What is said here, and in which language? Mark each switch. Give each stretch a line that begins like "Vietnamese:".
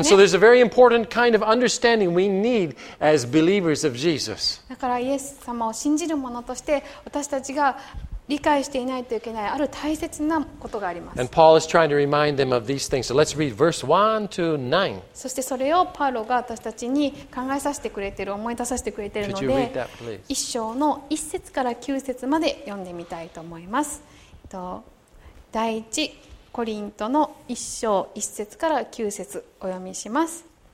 English: And so there's a very important kind of understanding we need as believers of Jesus.
Japanese: だからイエス様を信じる者として私たちが理解していないといけないある大切なことがあります。
English: And Paul is trying to remind them of these things. So let's read verse 1 to 9.
Japanese: そしてそれをパウロが私たちに考えさせてくれている、思い出させてくれているので、一章の一節から九節まで読んでみたいと思います。第一コリントの一章一節から九節お読みします。